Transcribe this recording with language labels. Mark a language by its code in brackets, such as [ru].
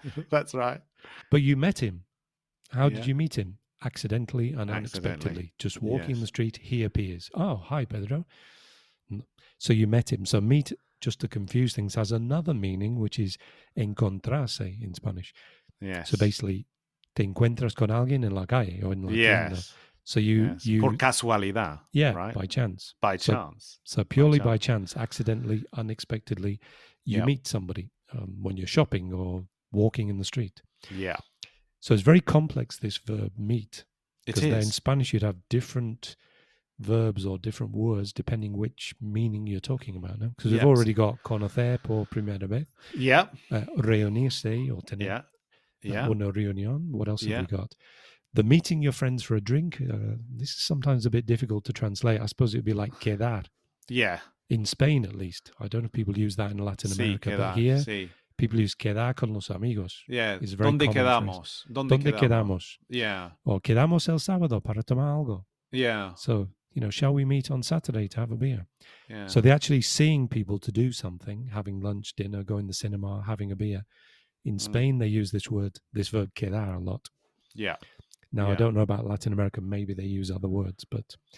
[en] That's right. But you met him. How did you meet him? Accidentally and unexpectedly. Just walking the street, he appears. Oh, hi, Pedro. So you met him. So meet, just to confuse things, has another meaning, which is encontrarse in Spanish. Yes. So basically, [es] te encuentras con alguien en la calle or en la tienda. [en] So you [es] por casualidad. [en] Yeah, right? By chance. By chance. So purely by chance, accidentally, unexpectedly, you meet somebody when you're shopping or walking in the street. Yeah. So it's very complex, this verb meet. It is. Because in Spanish, you'd have different verbs or different words depending which meaning you're talking about. No? Because we've already got [es] conocer por primera vez. [en] Yeah. [es] Reunirse or tener. [en] Yeah. [es] Una reunión. [en] What else have we got? The meeting your friends for a drink. This is sometimes a bit difficult to translate. I suppose it would be like quedar. Yeah. In Spain, at least. I don't know if people use that in Latin America, [es] quedar, [en] but here. People use [es] quedar con los amigos. [en] Yeah. It's very [es] ¿Donde quedamos? ¿Donde quedamos? [en] Yeah. [es] Or quedamos el sábado para tomar algo. [en] Yeah. So, you know, shall we meet on Saturday to have a beer? Yeah. So they're actually seeing people to do something, having lunch, dinner, going to the cinema, having a beer. In Spain, they use this verb quedar a lot. Yeah. Now, I don't know about Latin America. Maybe they use other words, but.